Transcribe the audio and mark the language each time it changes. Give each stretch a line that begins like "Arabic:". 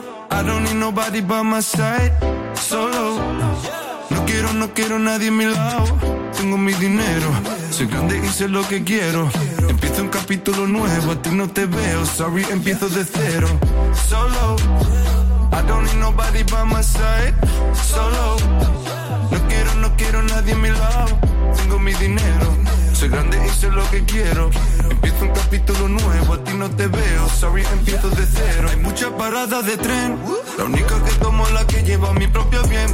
English: I don't need nobody by my side.
Spanish: Solo, no quiero, no quiero nadie a mi lado. Tengo mi dinero, soy grande y sé lo que quiero. Empiezo un capítulo nuevo, a ti no te veo. Sorry, empiezo de cero.
English: Solo, I don't need nobody by my side.
Spanish: Solo, no quiero, no quiero nadie a mi lado. Tengo mi dinero, soy grande y sé lo que quiero. Empiezo un capítulo nuevo, a ti no te veo. Sorry, empiezo de cero. Hay muchas paradas de tren. La única que tomo es la que lleva mi propio bien.